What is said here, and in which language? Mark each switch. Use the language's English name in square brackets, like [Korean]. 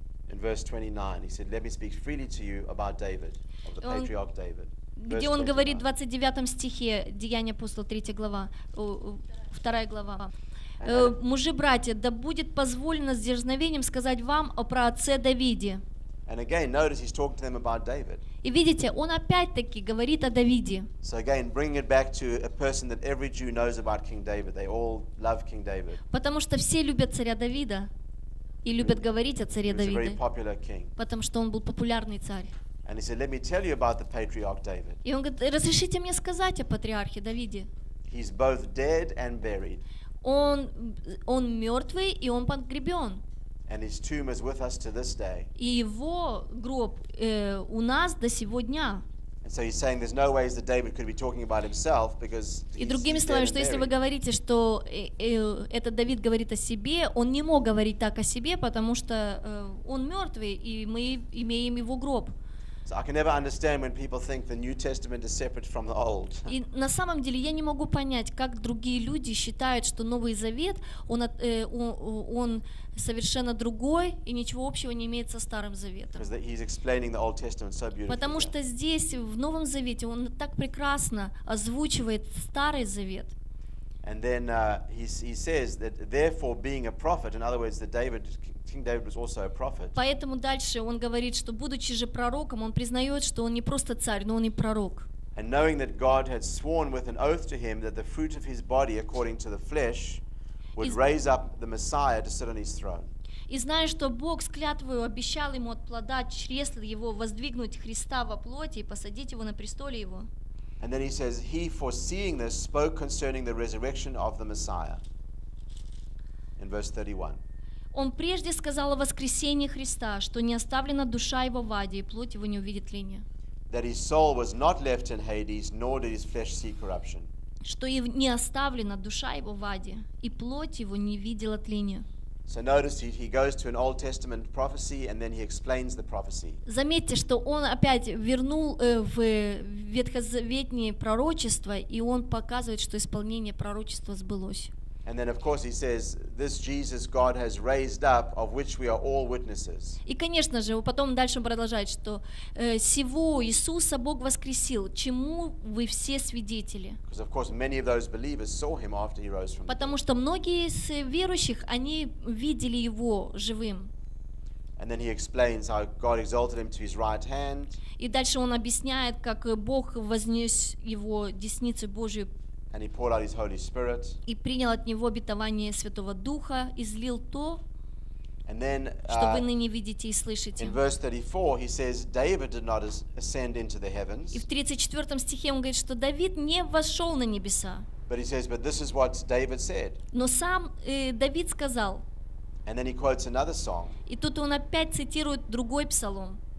[English] in verse 29 he said, let me speak freely to you about David, of the patriarch David. [Russian] Где он говорит в 29 стихе Деяния апостола 3 глава, 2 глава. Мужи, братья, да будет позволено с дерзновением сказать вам о праотце Давиде. [English] And again, notice he's talking to them about David. [Russian] И видите, он опять-таки говорит о Давиде. [English] So again, bringing it back to a person that every Jew knows about King David. They all love King David. [Russian] Потому что все любят царя Давида и любят говорить о царе Давиде. [English] He was a very popular king. [Russian] Потому что он был популярный царь. [English] And he said, "Let me tell you about the patriarch David." [Russian] И он говорит, разрешите мне сказать о патриархе Давиде. [English] He's both dead and buried. [Russian] Он мертвый и он погребен. [English] And his tomb is with us to this day. [Russian] И его гроб у нас до сего дня. [English] And so he's saying there's no way that David could be talking about himself because [Russian] И другими словами, что если вы говорите, что этот Давид говорит о себе, он не мог говорить так о себе, потому что он мертвый, и мы имеем его гроб. [English] So I can never understand when people think the New Testament is separate from the Old. [Russian] И на самом деле я не могу понять, как другие люди считают, что Новый Завет он совершенно другой и ничего общего не имеет со Старым Заветом. [English] Because he's explaining the Old Testament so beautifully. [Russian] Потому что здесь в Новом Завете он так прекрасно озвучивает Старый Завет. [English] And then he says that therefore being a prophet, in other words, that David. King David was also a prophet. [Russian] Поэтому дальше он говорит, что будучи же пророком, он признает, что он не просто царь, но он и пророк. [English] And knowing that God had sworn with an oath to him that the fruit of his body, according to the flesh, would raise up the Messiah to sit on his throne. [Russian] И зная, что Бог с клятвою обещал ему от плода чресла его воздвигнуть Христа во плоти и посадить его на престоле его. [English] And then he says, he foreseeing this spoke concerning the resurrection of the Messiah. In verse 31. [Russian] Он прежде сказал о воскресении Христа, что не оставлена душа его в аде, и плоть его не увидит тления. [English] that his soul was not left in Hades, nor did his flesh see corruption. [Russian] Что не оставлена душа его в аде, и плоть его не видела тления. [English] So notice he goes to an Old Testament prophecy and then he explains the prophecy. [Russian] Заметьте, что он опять вернул в ветхозаветнее пророчество, и он показывает, что исполнение пророчества сбылось. [English] And then, of course, he says, "This Jesus God has raised up, of which we are all witnesses." [Russian] И конечно же, потом дальше продолжает, что сего Иисуса Бог воскресил, чему вы все свидетели. [English] Because, of course, many of those believers saw him after he rose from. [Russian] Потому что многие из верующих они видели его живым. [English] And then he explains how God exalted him to his right hand. [Russian] И дальше он объясняет, как Бог вознес его десницу Божию. [English] And he poured out his Holy Spirit. [Russian] И принял от него обетование Святого Духа, излил то, [English] and then, [Russian] что вы ныне видите и слышите. [English] In verse 34, he says, David did not ascend into the heavens. [Russian] И в 34 стихе он говорит, что Давид не вошел на небеса. [English] But he says, but this is what David said. [Russian] Но сам Давид сказал. [English] And then he quotes another song. [Russian] И тут он опять цитирует другой псалом.